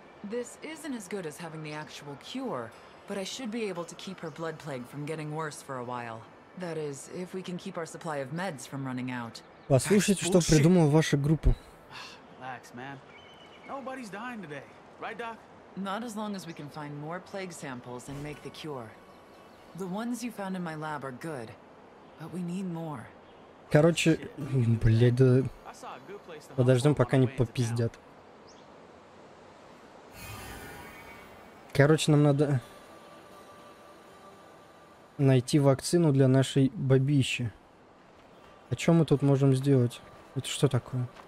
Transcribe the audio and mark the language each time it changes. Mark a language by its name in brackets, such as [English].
[English] This isn't as good as having the actual cure, but I should be able to keep her blood plague from getting worse for a while. That is, if we can keep our supply of meds from running out. [Russian] Послушайте, что придумала ваша группа. [English] Relax, man. Nobody's dying today. Right, Doc? Not as long as we can find more plague samples and make the cure. The ones you found in my lab are good, but we need more. [Russian] Короче, блядь, да... Подождем, пока не попиздят. Короче, нам надо... Найти вакцину для нашей бабищи. А что мы тут можем сделать? Это что такое?